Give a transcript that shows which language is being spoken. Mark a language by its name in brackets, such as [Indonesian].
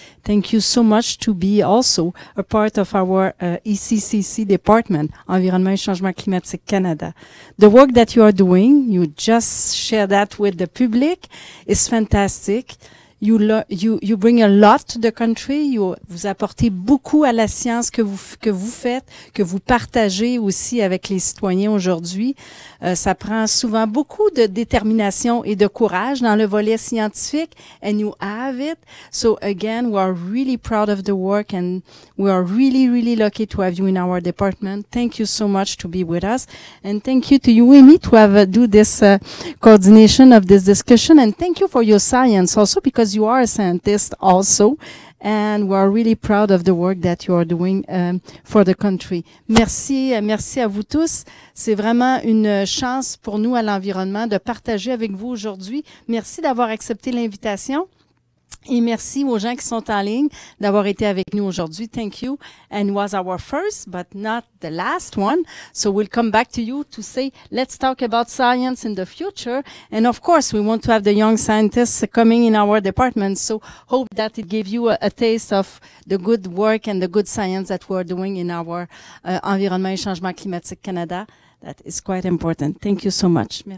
[English] Thank you so much to be also a part of our ECCC department, Environnement et Changement Climatique Canada. The work that you are doing, you just share that with the public, is fantastic. You bring a lot to the country. [French] Vous apportez beaucoup à la science que vous faites, que vous partagez aussi avec les citoyens aujourd'hui. Ça prend souvent beaucoup de détermination et de courage dans le volet scientifique. [English] And you have it. So again, we are really proud of the work and we are really, really lucky to have you in our department. Thank you so much to be with us. And thank you to you, Amy, to have do this coordination of this discussion. And thank you for your science also, because you are a scientist also, and we are really proud of the work that you are doing for the country. [French] Merci à vous tous. C'est vraiment une chance pour nous à l'environnement de partager avec vous aujourd'hui. Merci d'avoir accepté l'invitation et merci aux gens qui sont en ligne d'avoir été avec nous aujourd'hui. [English] Thank you. And it was our first, but not the last one. So we'll come back to you to say, let's talk about science in the future. And of course, we want to have the young scientists coming in our department. So hope that it gave you a taste of the good work and the good science that we're doing in our Environnement et Changement Climatique Canada. That is quite important. Thank you so much. Merci.